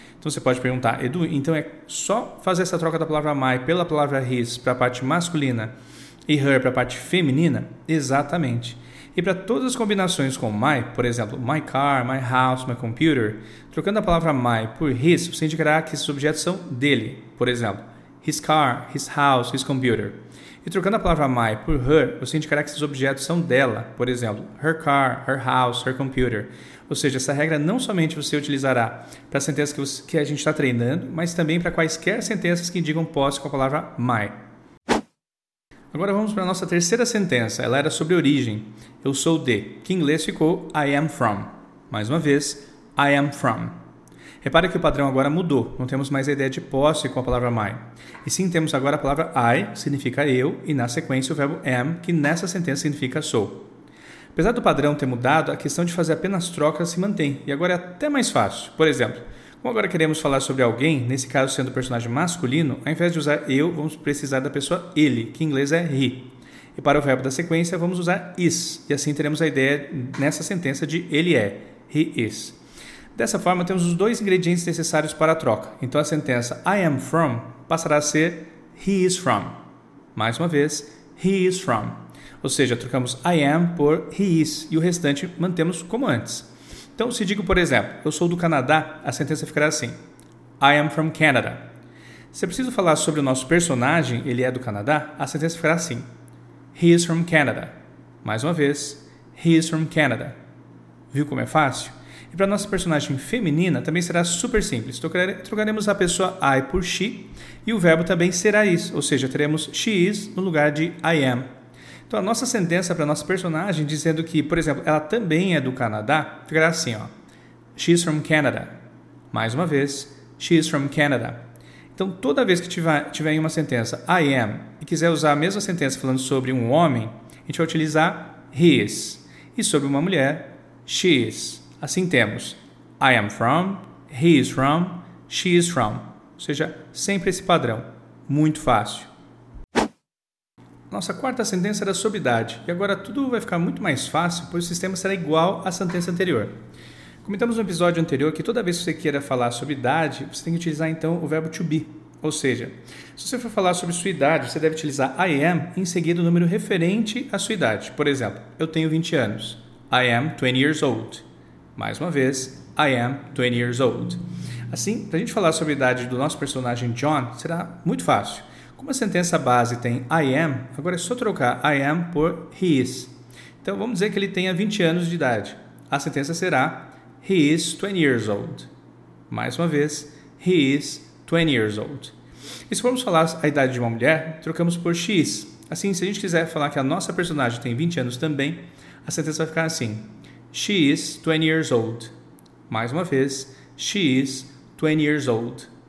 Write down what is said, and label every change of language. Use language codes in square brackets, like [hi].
[pt] Então você pode perguntar, Edu, então é só fazer essa troca da palavra my pela palavra his para a parte masculina e her para a parte feminina? Exatamente. E para todas as combinações com my, por exemplo, [en] my car, my house, my computer, [pt] trocando a palavra my por his, você indicará que esses objetos são dele. Por exemplo, [en] his car, his house, his computer. [pt] E trocando a palavra my por her, você indicará que esses objetos são dela. Por exemplo, [en] her car, her house, her computer. [pt] Ou seja, essa regra não somente você utilizará para as sentenças que a gente está treinando, mas também para quaisquer sentenças que indicam posse com a palavra my. Agora vamos para a nossa terceira sentença. Ela era sobre origem. Eu sou de, que em inglês ficou [en] I am from. [pt] Mais uma vez, [en] I am from. [pt] Repare que o padrão agora mudou. Não temos mais a ideia de posse com a palavra my. E sim, temos agora a palavra I, que significa eu, e na sequência o verbo am, que nessa sentença significa sou. Apesar do padrão ter mudado, a questão de fazer apenas trocas se mantém. E agora é até mais fácil. Por exemplo, como agora queremos falar sobre alguém, nesse caso sendo o personagem masculino, ao invés de usar eu, vamos precisar da pessoa ele, que em inglês é he. E para o verbo da sequência, vamos usar is. E assim teremos a ideia nessa sentença de ele é, [en] he is. [pt] Dessa forma, temos os 2 ingredientes necessários para a troca. Então a sentença [en] I am from [pt] passará a ser [en] he is from. [pt] Mais uma vez, [en] he is from. [pt] Ou seja, trocamos [en] I am [pt] por [en] he is [pt] e o restante mantemos como antes. Então, se digo, por exemplo, eu sou do Canadá, a sentença ficará assim: [en] I am from Canada. [pt] Se eu preciso falar sobre o nosso personagem, ele é do Canadá, a sentença ficará assim. [en] He is from Canada. [pt] Mais uma vez, [en] he is from Canada. [pt] Viu como é fácil? E para a nossa personagem feminina, também será super simples. Trocaremos a pessoa I por she e o verbo também será is, ou seja, teremos [en] she is [pt] no lugar de [en] I am. [pt] Então, a nossa sentença para a nossa personagem, dizendo que, por exemplo, ela também é do Canadá, ficará assim, ó. [en] She is from Canada. [pt] Mais uma vez, [en] she is from Canada. [pt] Então, toda vez que tiver em uma sentença [en] I am [pt] e quiser usar a mesma sentença falando sobre um homem, a gente vai utilizar [en] he is. [pt] E sobre uma mulher, [en] she is. [pt] Assim temos, [en] I am from, he is from, she is from. [pt] Ou seja, sempre esse padrão. Muito fácil. Nossa quarta sentença era sobre idade. E agora tudo vai ficar muito mais fácil, pois o sistema será igual à sentença anterior. Comentamos no episódio anterior que toda vez que você queira falar sobre idade, você tem que utilizar então o verbo to be. Ou seja, se você for falar sobre sua idade, você deve utilizar [en] I am [pt] em seguida o número referente à sua idade. Por exemplo, eu tenho 20 anos. [en] I am 20 years old. [pt] Mais uma vez, [en] I am 20 years old. [pt] Assim, para a gente falar sobre a idade do nosso personagem John, será muito fácil. Como a sentença base tem [en] I am, [pt] agora é só trocar I am por [en] he is. [pt] Então, vamos dizer que ele tenha 20 anos de idade. A sentença será [en] he is 20 years old. [pt] Mais uma vez, [en] he is 20 years old. [pt] E se formos falar a idade de uma mulher, trocamos por [en] she is. [pt] Assim, se a gente quiser falar que a nossa personagem tem 20 anos também, a sentença vai ficar assim. [en] She is 20 years old. Mais uma vez, she is 20 years old.